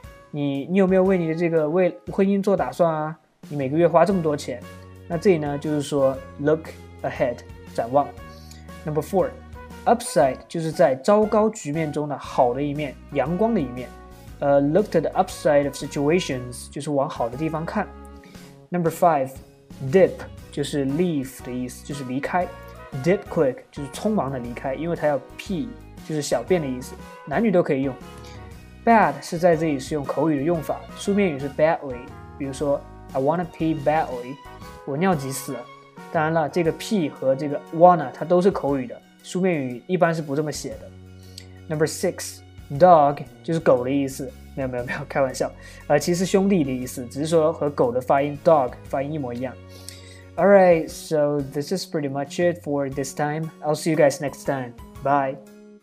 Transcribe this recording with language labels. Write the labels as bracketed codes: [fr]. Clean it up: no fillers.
[zh] 你有没有为你的这个为婚姻做打算啊？你每个月花这么多钱。那这里呢就是说 [en] look ahead [zh] 展望。 [en] Number four,Upside [zh] 就是在糟糕局面中的好的一面，阳光的一面。 [en] Look to the upside of situations [zh] 就是往好的地方看。 [en] Number five, dip [zh] 就是 leave 的意思，就是离开。 [en] Dip quick [zh] 就是匆忙的离开，因为它要 pee 就是小便的意思，男女都可以用。 Bad 是在这里是用口语的用法，书面语是 badly， 比如说 [en] I wanna pee badly， [zh] 我尿急死了。当然了，这个 pee 和这个 wanna 它都是口语的。书面语一般是不这么写的。 [en] Number six, dog [zh] 就是狗的意思，没有开玩笑，其实兄弟的意思，只是说和狗的发音 dog 发音一模一样。 [en] Alright, so this is pretty much it for this time. I'll see you guys next time. Bye.